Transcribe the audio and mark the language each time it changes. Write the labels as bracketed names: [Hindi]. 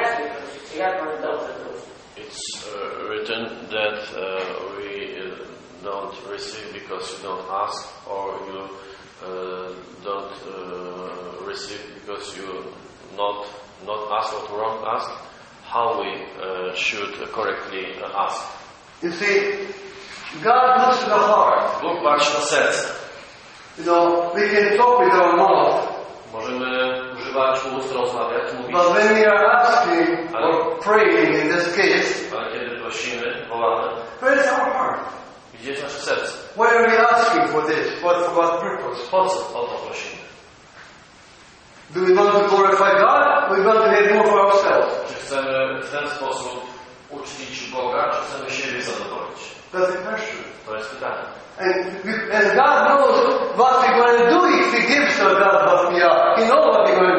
[English] It's written that we don't receive because you don't ask, or you don't receive because you not ask or wrong ask. How we should correctly ask? You see, God looks in the heart. [Polish] Bóg patrzy na serce. [English] You know, we can talk with our mouth. [Polish] Możemy używać ust, rozmawiać, mówić. [English] But when we are asking or praying in this case, [Polish] ale kiedy prosimy, wołamy, [English] where is our heart? [Polish] Gdzie jest nasze serce? [English] Why are we asking for this? For what purpose? [Polish] Po co o to prosimy? [English] Do we want to glorify God? Or we want to make more for ourselves? [Polish] Czy chcemy w ten sposób uczcić Boga, czy chcemy siebie zadowolić? [English] That's the question. [Polish] To jest pytanie. [English] And God knows what we're going to do if He gives us God what we are. He knows what we're going to do.